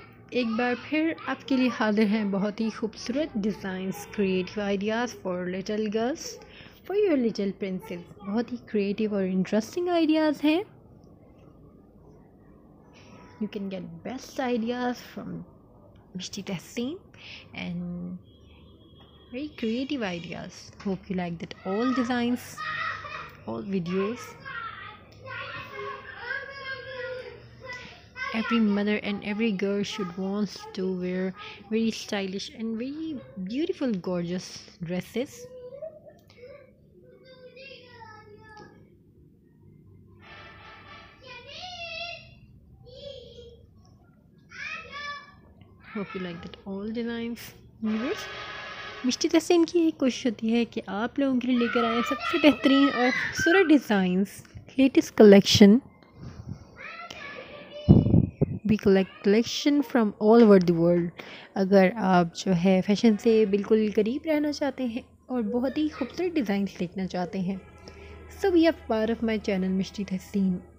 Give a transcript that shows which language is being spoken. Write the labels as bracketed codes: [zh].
[ur] ایک بار پھر آپ کے لیے حاضر ہیں بہت ہی خوبصورت designs, [en] Creative ideas for little girls, for your little princess. [ur] بہت ہی کریٹیو اور انٹرسٹنگ آئیڈیاز ہیں. [en] You can get best ideas from Mushti Tahseen and very creative ideas. Hope you like that all designs, all videos. Every mother and every girl should wants to wear very stylish and very beautiful gorgeous dresses. Hope you like that all designs, viewers. [ur] مشتی تحسین کی یہ کوشش ہوتی ہے کہ آپ لوگوں کے لیے لے کر آئیں سب سے بہترین اور خوبصورت designs, latest collection. [en] We collect collection from all over the world. [ur] اگر آپ جو ہے فیشن سے بالکل قریب رہنا چاہتے ہیں اور بہت ہی خوبصورت ڈیزائنس دیکھنا چاہتے ہیں, [en] so we are part of my channel [ur] مشتی تحسین.